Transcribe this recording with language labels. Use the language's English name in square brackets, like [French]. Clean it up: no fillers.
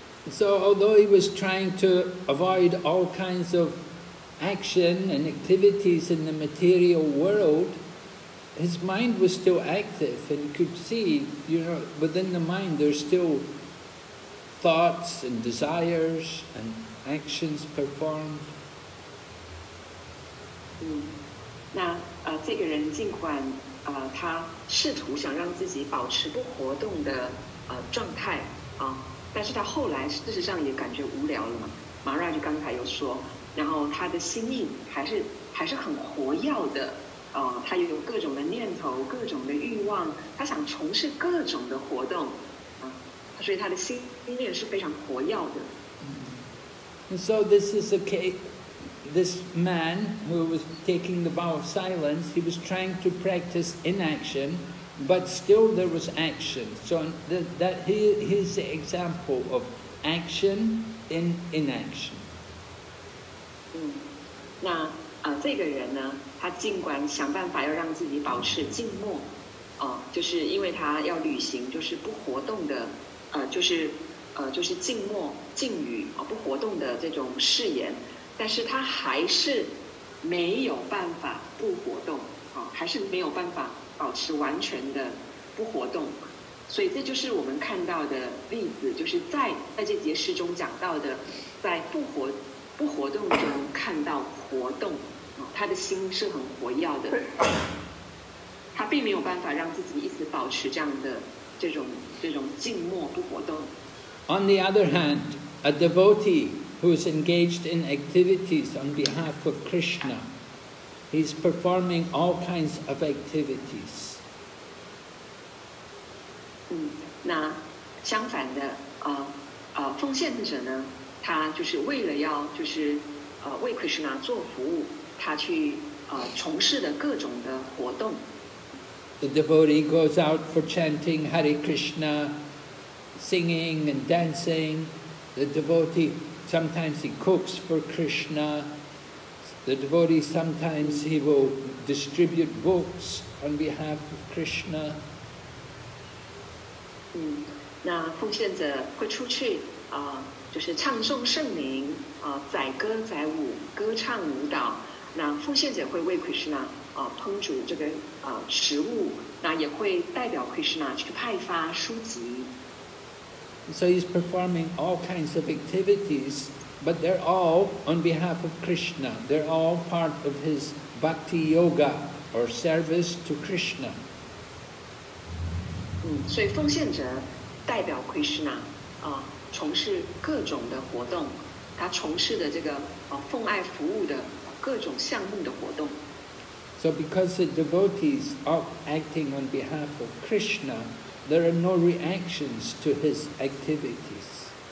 [English] So although he was trying to avoid all kinds of action and activities in the material world, his mind was still active and could see, you know, within the mind there's still thoughts and desires and actions performed. [Chinese] 嗯，那这个人尽管他试图想让自己保持不活动的状态啊，但是他后来事实上也感觉无聊了嘛。马拉就刚才又说，然后他的心意还是很活跃的啊，他也有各种的念头、各种的欲望，他想从事各种的活动啊，所以他的心念是非常活跃的。 [English] And so this is a case. This man who was taking the vow of silence, he was trying to practice inaction, but still there was action. So that he's the example of action in inaction. [Chinese] 那这个人呢，他尽管想办法要让自己保持静默，就是因为他要旅行，就是不活动的，就是静默静语啊，不活动的这种誓言。但是他还是没有办法不活动，还是没有办法保持完全的不活动，所以这就是我们看到的例子，就是在这节诗中讲到的，在不活动中看到活动，他的心是很活跃的，他并没有办法让自己一直保持这样的这种静默不活动。 [English] On the other hand, a devotee. Who is engaged in activities on behalf of Krishna? He's performing all kinds of activities. [Chinese] 那相反的，奉献者呢，他就是为了要就是为 Krishna 做服务，他去从事的各种的活动。 [English] The devotee goes out for chanting Hare Krishna, singing and dancing. The devotee. Sometimes he cooks for Krishna. The devotee sometimes he will distribute books on behalf of Krishna. [Chinese] 那奉献者会出去就是唱诵圣名载歌载舞，歌唱舞蹈。那奉献者会为 Krishna 烹煮这个食物，那也会代表 Krishna 去派发书籍。 [English] So he's performing all kinds of activities, but they're all on behalf of Krishna. They're all part of his bhakti yoga or service to Krishna. [Chinese] 所以奉献者代表 Krishna 从事各种的活动，他从事的这个奉爱服务的各种项目的活动。 [English] So because the devotees are acting on behalf of Krishna. There are no reactions to his activities.